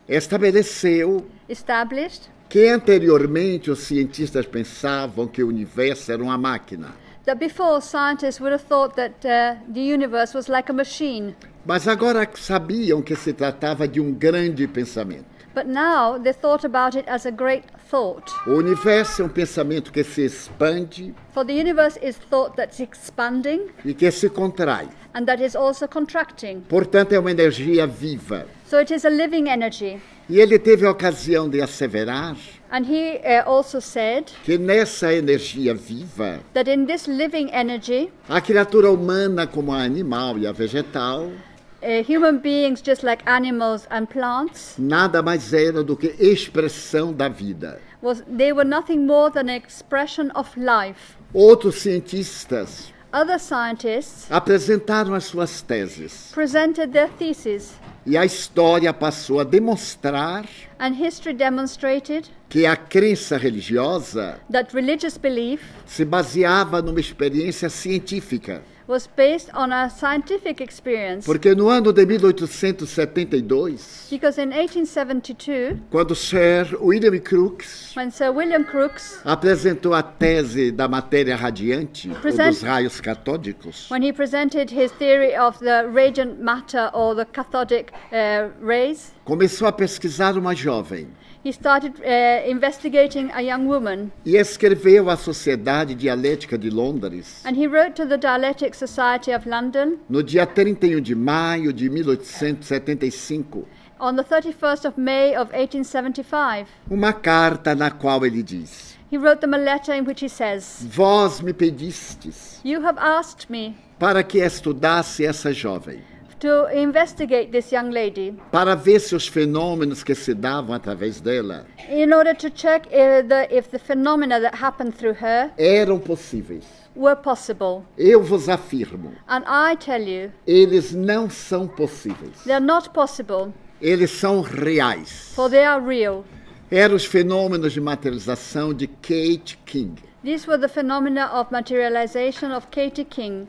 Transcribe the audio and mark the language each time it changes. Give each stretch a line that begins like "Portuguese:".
Portuguese: estabeleceu que anteriormente os cientistas pensavam que o universo era uma máquina.
English: That before scientists would have thought that the universe was like a machine.
Portuguese: Mas agora sabiam que se tratava de um grande pensamento.
English: But now they thought about it as a great thought.
Portuguese: O universo é pensamento que se expande.
English: For the universe is thought that's expanding.
Portuguese: E que se contrai.
English: And that is also contracting.
Portuguese: Portanto, é uma energia viva.
English: So it is a living energy.
Portuguese: E ele teve a ocasião de asseverar.
English: And he also said.
Portuguese: Que nessa energia viva.
English: That in this living energy.
Portuguese: A criatura humana como a animal e a vegetal.
English: human beings just like animals and plants.
Portuguese: Nada mais era do que expressão da vida.
English: They were nothing more than an expression of life.
Portuguese: Outros cientistas.
English: Other scientists
Portuguese: apresentaram as suas teses.
English: Presented their theses.
Portuguese: E a história passou a demonstrar.
English: And history demonstrated
Portuguese: que a crença religiosa
English: that religious belief
Portuguese: se baseava numa experiência científica.
English: Was based on a scientific experience.
Portuguese: Porque no ano de 1872,
English: because in 1872,
Portuguese: quando Sir William Crookes,
English: when Sir William Crookes
Portuguese: apresentou a tese da matéria radiante dos raios catódicos,
English: when he presented his theory of the radiant matter or the cathodic rays,
Portuguese: começou a pesquisar uma jovem.
English: He started investigating a young woman.
Portuguese: E escreveu à Sociedade Dialética de Londres.
English: And he wrote to the Dialectic Society of London.
Portuguese: No dia 31 de maio de 1875.
English: On the 31st of May of 1875.
Portuguese: Uma carta na qual ele diz.
English: He wrote them a letter in which he says.
Portuguese: Vós me pedistes.
English: You have asked me.
Portuguese: Para que estudasse essa jovem.
English: To investigate this young lady.
Portuguese: Para ver se os fenômenos que se davam através dela.
English: In order to check if the phenomena that happened through her.
Portuguese: Eram possíveis.
English: Were possible.
Portuguese: Eu vos afirmo.
English: And I tell you.
Portuguese: Eles não são possíveis.
English: They are not possible.
Portuguese: Eles são reais.
English: For they are real.
Portuguese: Eram os fenômenos de materialização de Kate King.
English: These were the phenomena of materialization of Katie King.